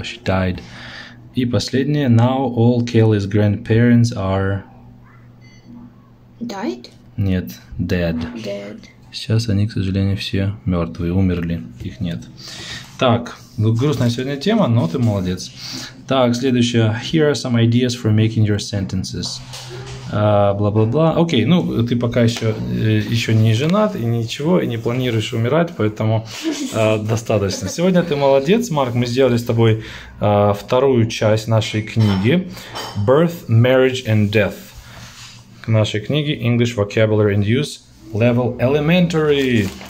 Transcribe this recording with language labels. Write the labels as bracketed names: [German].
[English] She died. [Russian] И последнее. [English] Now all Kelly's grandparents are... Died? [Russian] Нет. Dead. [English] Dead. [Russian] Сейчас они, к сожалению, все мертвые. Умерли. Их нет. Так. Ну, грустная сегодня тема, но ты молодец. Так, следующее. [English] Here are some ideas for making your sentences. [Russian] Бла-бла-бла. Окей, ну, ты пока еще не женат и ничего, и не планируешь умирать, поэтому достаточно. Сегодня ты молодец, Марк. Мы сделали с тобой вторую часть нашей книги Birth, Marriage and Death. К нашей книге English Vocabulary and Use Level Elementary.